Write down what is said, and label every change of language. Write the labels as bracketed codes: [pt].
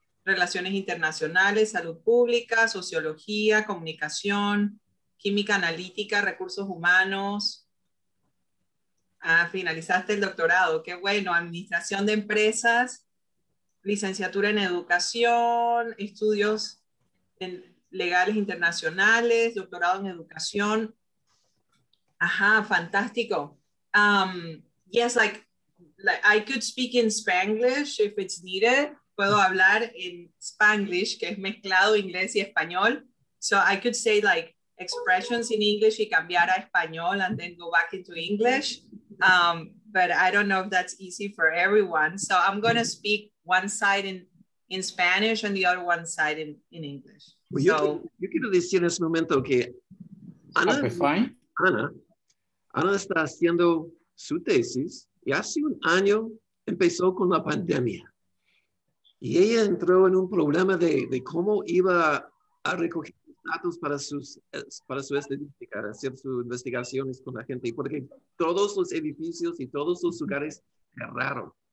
[es] Relaciones internacionales, salud pública, sociología, comunicación, química analítica, recursos humanos. Ah, finalizaste el doctorado. Qué bueno. Administración de empresas, licenciatura en educación, estudios en legales internacionales, doctorado en educación. Ajá, fantástico. [en] Yes, like I could speak in Spanglish if it's needed. [es] Puedo hablar en Spanglish, que es mezclado inglés y español. [en] So I could say like expressions in English [es] y cambiar a español [en] and then go back into English. But I don't know if that's easy for everyone. So I'm going to speak one side in Spanish and the other one side in English. [es] Well, yo quiero decir en ese momento que Ana, [en] okay, fine. [es] Ana está haciendo su tesis y hace un año empezó con la pandemia. Y ella entró en un problema de cómo iba a recoger datos para su estadística, hacer sus investigaciones con la gente, porque todos los edificios y todos los lugares cerraron.